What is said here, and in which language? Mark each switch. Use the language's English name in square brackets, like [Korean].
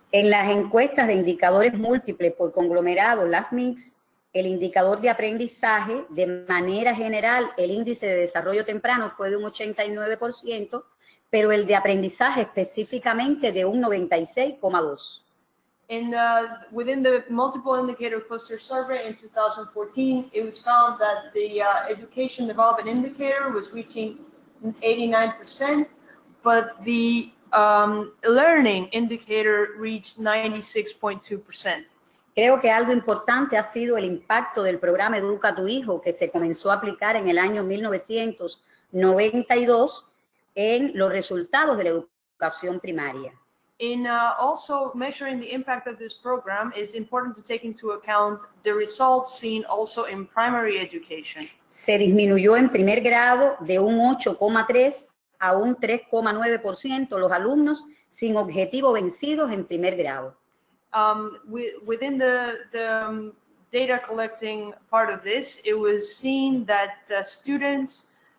[Spanish] En las encuestas de indicadores múltiples por conglomerado, las MICS, el indicador de aprendizaje, de manera general, el índice de desarrollo temprano fue de un 89%, pero el de aprendizaje específicamente de un 96,2%. [English] Within the multiple indicator cluster survey in 2014, it was found that the education development indicator was reaching 89%, but the learning indicator reached 96.2%. [Spanish] Creo que algo importante ha sido el impacto del programa Educa a tu Hijo que se comenzó a aplicar en el año 1992 en los resultados de la educación primaria. [English] In also measuring the impact of this program, it's important to take into account the results seen also in primary education. [Spanish] Se disminuyó en primer grado de un 8,3 a un 3,9% los alumnos sin objetivo vencidos en primer grado. [English] Within the data collecting part of this, it was seen that the students